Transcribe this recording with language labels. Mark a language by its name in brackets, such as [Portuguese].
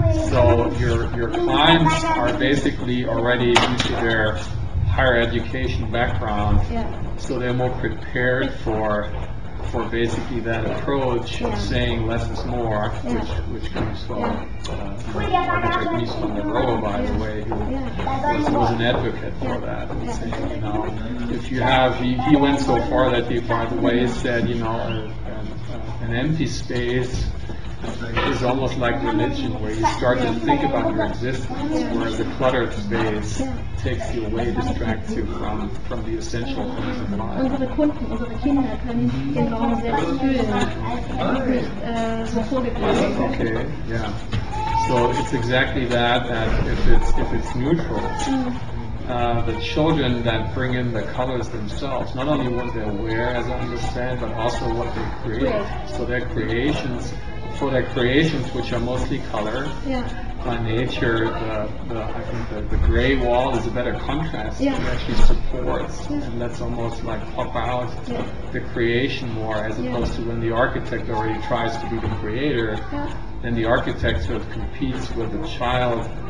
[English] So your clients are basically already due to their higher education background, so they're more prepared for basically that approach of saying less is more, which comes from Architect von der Rohe, by the way, who was an advocate for that, and saying, you know, if you have, he went so far that he, by the way, said, you know, an empty space is almost like religion, where you start to think about your existence, where the cluttered space takes you away, distracts you from the essential things of life. [German] Unsere Kunden, unsere Kinder können den Raum selbst fühlen, bevor wir [English] okay, yeah. So it's exactly that if it's neutral, the children that bring in the colors themselves, not only what they wear, as I understand, but also what they create. So their creations, which are mostly color, by nature, the gray wall is a better contrast and actually supports and lets almost like pop out the creation more, as opposed to when the architect already tries to be the creator, then the architect sort of competes with the child.